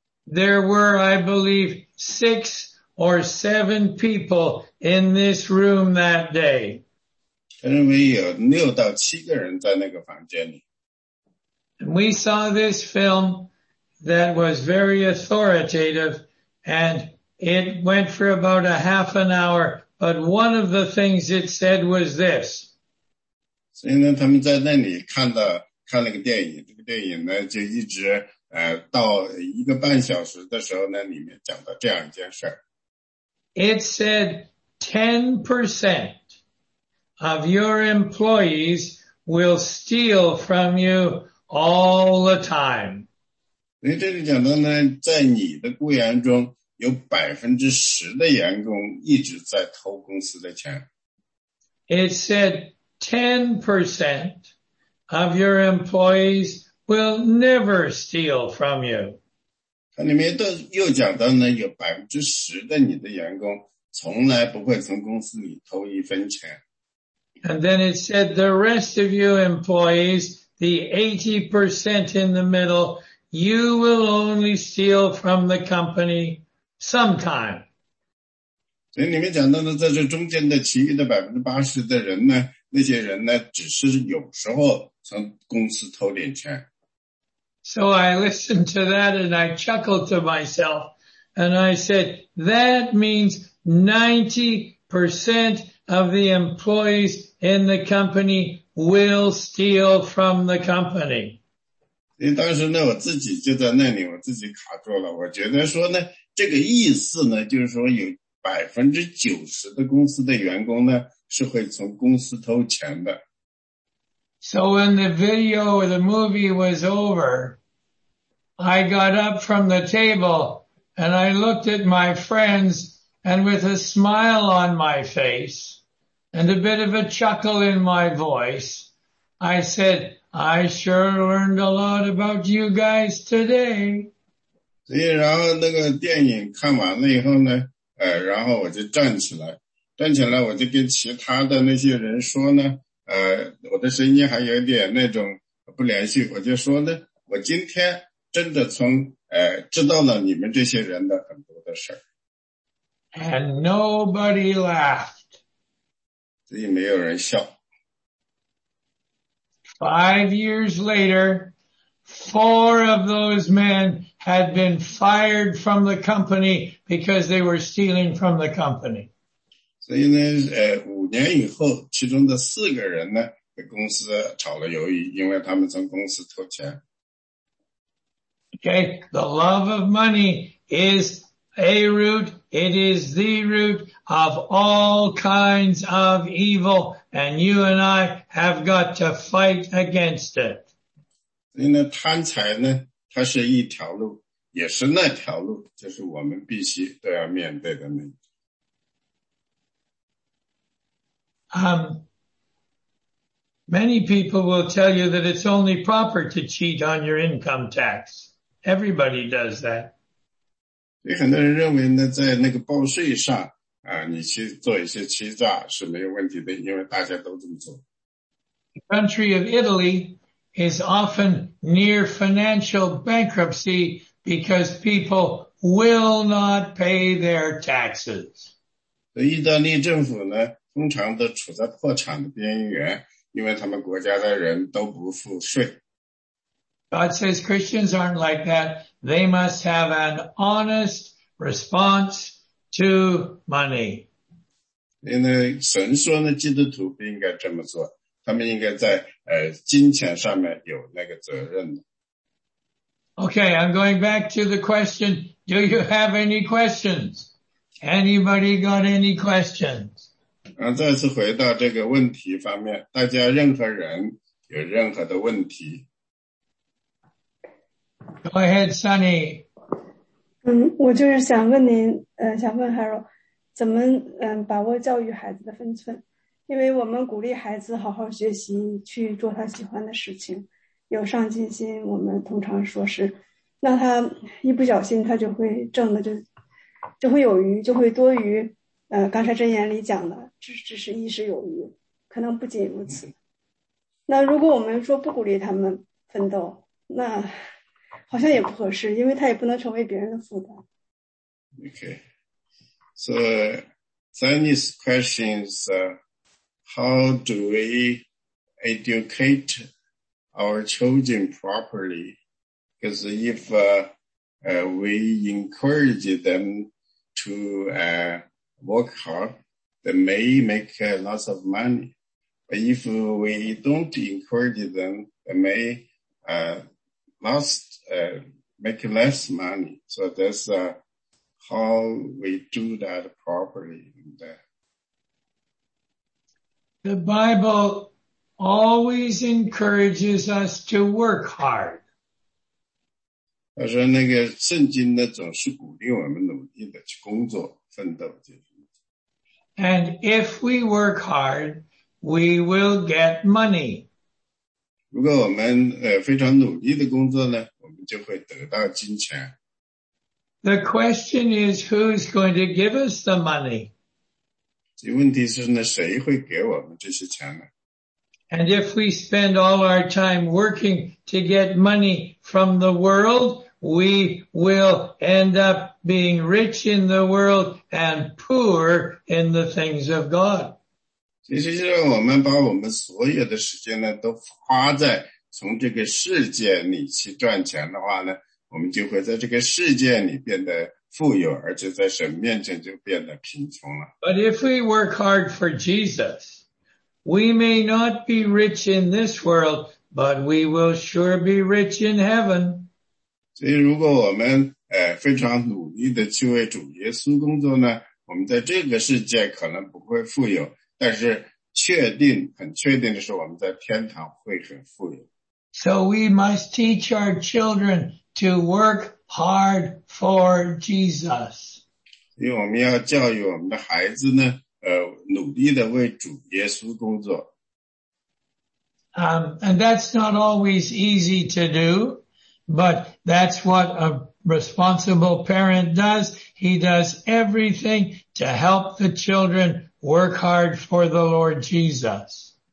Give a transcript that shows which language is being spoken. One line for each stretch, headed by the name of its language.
English: There were, I believe, 6 or 7 people in this room that day.
Chinese: 他认为有6到7个人在那个房间里。
English: And we saw this film that was very authoritative, and it went for about a half an hour, but one of the things it said was this.
Chinese: 所以呢，他们在那里看了个电影，这个电影呢，就一直到一个半小时的时候呢，里面讲到这样一件事。
English: It said 10% of your employees will steal from you all the time.
Chinese: 所以这里讲到呢，在你的雇员中有10%的员工一直在偷公司的钱。
English: It said 10% of your employees will never steal from you.
Chinese: 它里面又讲到呢，有10%的你的员工从来不会从公司里偷一分钱。
English: And then it said the rest of you employees, the 80% in the middle, you will only steal from the company sometime.
Chinese: 所以里面讲到的，在这中间的其余的80%的人呢，那些人呢，只是有时候从公司偷点钱。
English: So I listened to that and I chuckled to myself and I said, that means 90% of the employees in the company will steal from the company.
Chinese: 因为当时呢，我自己就在那里，我自己卡住了。我觉得说呢，这个意思呢，就是说有90%的公司的员工呢，是会从公司偷钱的。
English: So when the video or the movie was over, I got up from the table and I looked at my friends and with a smile on my face and a bit of a chuckle in my voice, I said, I sure learned a lot about you guys today.
Chinese: 所以然后那个电影看完了以后呢，然后我就站起来，站起来我就跟其他的那些人说呢，我的声音还有点那种不连续，我就说呢，我今天真的从知道了你们这些人的很多的事儿。
English: And nobody laughed.
Chinese: 所以没有人笑。
English: 5 years later, 4 of those men had been fired from the company because they were stealing from the company.
Chinese: 所以呢，5年以后，其中的4个人呢，被公司炒了鱿鱼，因为他们从公司偷钱。
English: Okay, the love of money is a root, it is the root of all kinds of evil, and you and I have got to fight against it.
Chinese: 所以呢，贪财呢，它是一条路，也是那条路，就是我们必须都要面对的问题。
English: Many people will tell you that it's only proper to cheat on your income tax. Everybody does that.
Chinese: 所以很多人认为呢，在那个报税上啊，你去做一些欺诈是没有问题的，因为大家都这么做。
English: The country of Italy is often near financial bankruptcy because people will not pay their taxes.
Chinese: 所以意大利政府呢，通常都处在破产的边缘，因为他们国家的人都不付税。
English: God says Christians aren't like that. They must have an honest response to money.
Chinese: 因为神说呢，基督徒不应该这么做，他们应该在金钱上面有那个责任。
English: Okay, I'm going back to the question. Do you have any questions? Anybody got any questions?
Chinese: 再次回到这个问题方面，大家任何人有任何的问题？
English: Go ahead, Sunny.
Chinese: 我就是想问您，想问 Harold， 怎么把握教育孩子的分寸？因为我们鼓励孩子好好学习，去做他喜欢的事情，有上进心。我们通常说是，那他一不小心，他就会挣的就会有余，就会多余。刚才箴言里讲的，只是衣食有余，可能不仅如此。那如果我们说不鼓励他们奋斗，那好像也不合适，因为他也不能成为别人的负担。
English: Okay, so Sunny's question is, how do we educate our children properly? Because if we encourage them to work hard, they may make lots of money. But if we don't encourage them, they may make less money. So that's how we do that properly. The Bible always encourages us to work hard.
Chinese: 他说那个圣经呢，总是鼓励我们努力的去工作奋斗这些。
English: And if we work hard, we will get money.
Chinese: 如果我们非常努力的工作呢，我们就会得到金钱。
English: The question is, who's going to give us the money?
Chinese: 这问题是呢，谁会给我们这些钱呢？
English: And if we spend all our time working to get money from the world, we will end up being rich in the world and poor in the things of God.
Chinese: 其实就是我们把我们所有的时间呢，都花在从这个世界里去赚钱的话呢，我们就会在这个世界里变得富有，而且在神面前就变得贫穷了。
English: But if we work hard for Jesus, We may not be rich in this world, but we will sure be rich in heaven.
Chinese: 所以如果我们非常努力的去为主耶稣工作呢，我们在这个世界可能不会富有，但是确定，很确定的是我们在天堂会很富有。
English: So we must teach our children to work hard for Jesus.
Chinese: 所以我们要教育我们的孩子呢，努力的为主耶稣工作。
English: And that's not always easy to do, but that's what a responsible parent does. He does everything to help the children work hard for the Lord Jesus.